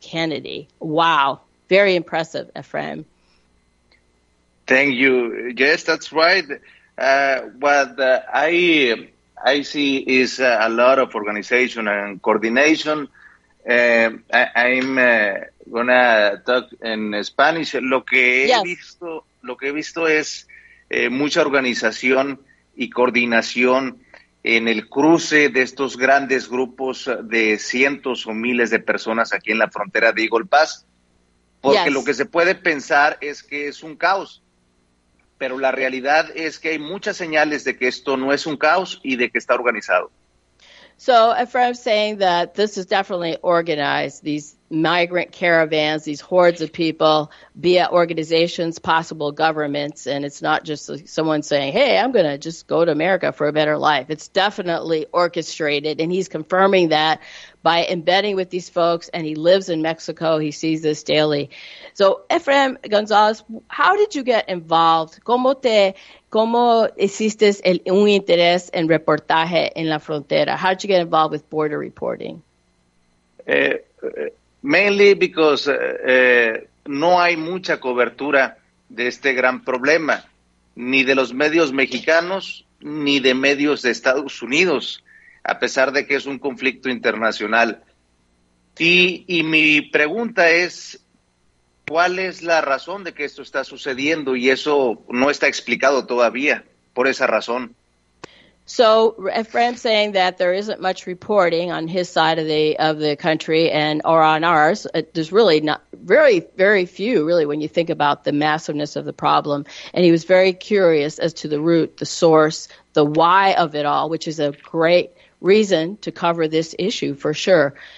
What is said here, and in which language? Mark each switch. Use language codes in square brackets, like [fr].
[en] Kennedy. Wow. Very impressive, Efrem. Thank you. Yes, that's right. What I see is a lot of organization and coordination. I'm gonna talk in Spanish. [es] Lo que he visto es mucha organización y coordinación en el cruce de estos grandes grupos de cientos o miles de personas aquí en la frontera de Eagle Pass, porque lo que se puede pensar es que es un caos, pero la realidad es que hay muchas señales de que esto no es un caos y de que está organizado. [en] So, Efrem, saying that this is definitely organized, these migrant caravans, these hordes of people, be it organizations, possible governments, and it's not just someone saying, hey, I'm going to just go to America for a better life. It's definitely orchestrated, and he's confirming that by embedding with these folks, and he lives in Mexico. He sees this daily. So, Efrem Gonzalez, how did you get involved? [es] ¿Cómo hiciste un interés en reportaje en la frontera? [en] How did you get involved with border reporting? Mainly because [es] no hay mucha cobertura de este gran problema, ni de los medios mexicanos, ni de medios de Estados Unidos, a pesar de que es un conflicto internacional. Y mi pregunta es, ¿cuál es la razón de que esto está sucediendo? Y eso no está explicado todavía por esa razón. [en] So Fran's saying that there isn't much reporting on his side of the country and or on ours. There's really not very, very few, really, when you think about the massiveness of the problem. And he was very curious as to the root, the source, the why of it all, which is a great reason to cover this issue for sure.